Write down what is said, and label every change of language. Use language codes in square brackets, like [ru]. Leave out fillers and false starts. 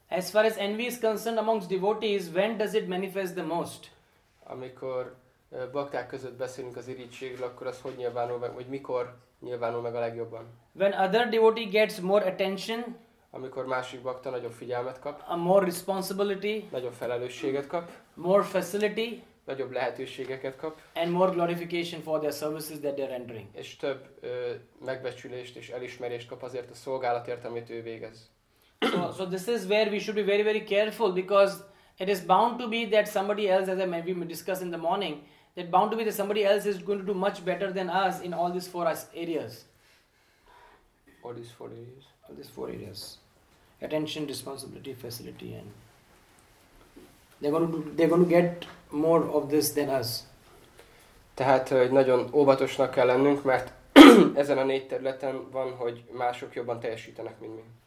[en] As far as envy is concerned amongst devotees, when does it manifest the most? [hu] Amikor bakták között beszélünk az irigységről, akkor az hogy nyilvánul meg, vagy mikor nyilvánul meg a legjobban? [en] When other devotee gets more attention, [hu] amikor másik bakta nagyobb figyelmet kap, [en] a more responsibility, [hu] nagyobb felelősséget kap, [en] more facility, [hu] nagyobb lehetőségeket kap, [en] and more glorification for their services that they are rendering, [hu] és több megbecsülést és elismerést kap azért a szolgálatért, amit ő végez. [en] So this is where we should be very very careful, because it is bound to be that somebody else, as I maybe discuss in the morning, that bound to be that somebody else is going to do much better than us in all these four areas. All these four areas. All these four areas. Attention, responsibility, facility, and they're going to get more of this than us. [hu] Tehát hogy nagyon óvatosnak kell lennünk, mert ezen a négy területen van, hogy mások jobban teljesítenek, mint mi.